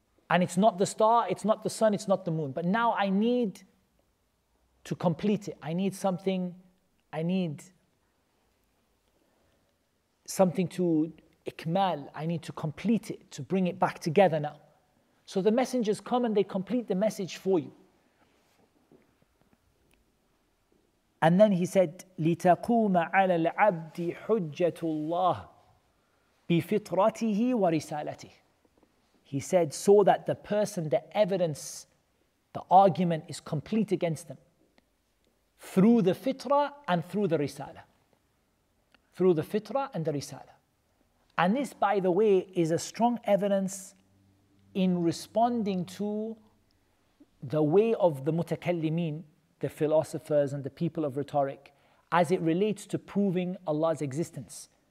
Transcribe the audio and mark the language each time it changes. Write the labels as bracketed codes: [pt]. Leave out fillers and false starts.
[en] And it's not the star, it's not the sun, it's not the moon. But now I need to complete it. I need something, to ikmal. I need to complete it, to bring it back together now. So the messengers come and they complete the message for you. And then he said, [ar] لِتَقُومَ عَلَى الْعَبْدِ حُجَّةُ اللَّهِ بِفِطْرَتِهِ وَرِسَالَتِهِ. [en] He said, so that the person, the evidence, the argument is complete against them through the fitrah and through the risalah. Through the fitrah and the risalah. And this, by the way, is a strong evidence in responding to the way of the mutakallimeen, the philosophers and the people of rhetoric, as it relates to proving Allah's existence.